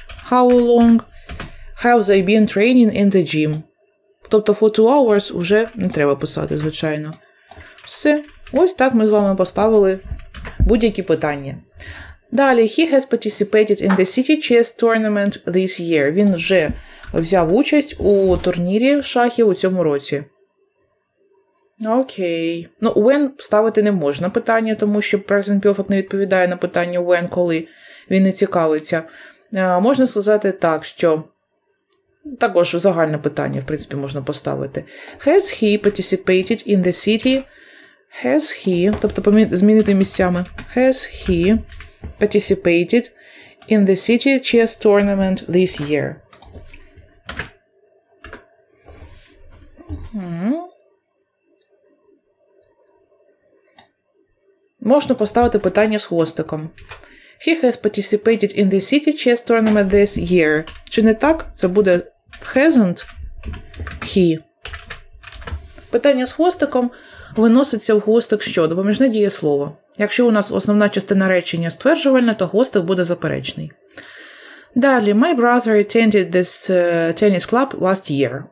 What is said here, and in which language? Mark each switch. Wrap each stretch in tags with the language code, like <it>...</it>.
<en>How long have they been training in the gym?</en> <uk>Тобто</uk> <en>for 2 hours</en> <uk>вже не треба писати, звичайно. Все. Ось так ми з вами поставили будь-які питання. Далі.</uk> <en>He has participated in the city chess tournament this year.</en> <uk>Він вже взяв участь у турнірі шахів у цьому році. Окей. Ну, when ставити не можна питання, тому що present perfect не відповідає на питання when, коли він не цікавиться. Можна сказати так, що також загальне питання, в принципі, можна поставити.</uk> <en>Has he participated in the city? Has he,</en> <uk>тобто змінити місцями.</uk> <en>Has he participated in the city chess tournament this year?</en> <uk>Можна поставити питання з хвостиком.</uk> <en>He has participated in the city chess tournament this year.</en> <uk>Чи не так? Це буде</uk> <en>hasn't he.</en> <uk>Питання з хвостиком виноситься в хвостик що? Допоміжне дієслово. Якщо у нас основна частина речення стверджувальна, то хвостик буде заперечний. Далі.</uk> <en>My brother attended this tennis club last year.</en>